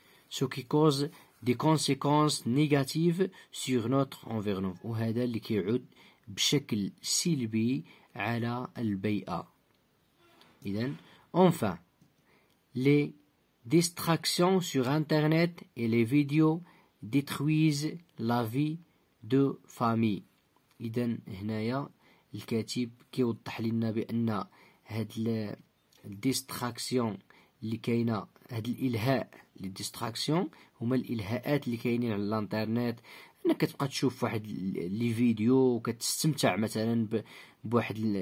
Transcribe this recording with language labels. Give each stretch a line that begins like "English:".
French: سو كي كوز des conséquences négatives sur notre environnement.
Arabic: وهذا اللي كيعود بشكل سلبي على البيئه.
French: اذا enfin les distractions sur internet et les vidéos détruisent la vie de famille.
Arabic: اذا هنايا الكاتب كيوضح لنا بان هاد الديستراكسيون اللي كاينه، هاد الالهاء للديستراكسيون، هما الالهاءات اللي كاينين على الانترنت، انك كتبقى تشوف واحد لي فيديو وكتستمتع مثلا بواحد